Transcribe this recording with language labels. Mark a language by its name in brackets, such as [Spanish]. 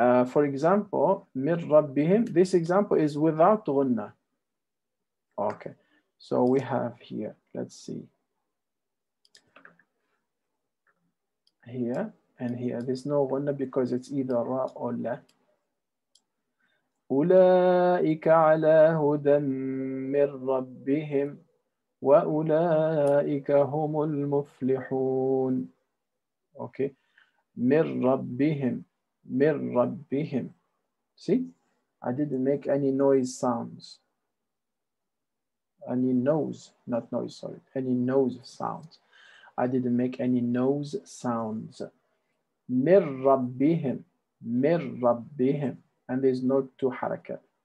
[English] For example, Mir Rabbihim, this example is without Ghunna. Okay, so we have here, let's see. Here and here, there's no Ghunna because it's either Ra or La. [Arabic] أُولَٰئِكَ عَلَىٰ هُدًى مِّن رَبِّهِمْ وَأُولَٰئِكَ هُمُ الْمُفْلِحُونَ [English] Okay. [Arabic] مِّن رَبِّهِمْ مِّن رَبِّهِمْ [English] See? I didn't make any noise sounds. Any nose, not noise, sorry. Any nose sounds. I didn't make any nose sounds. [Arabic] مِّن رَبِّهِمْ مِّن رَبِّهِمْ [English] And there's no two harakat.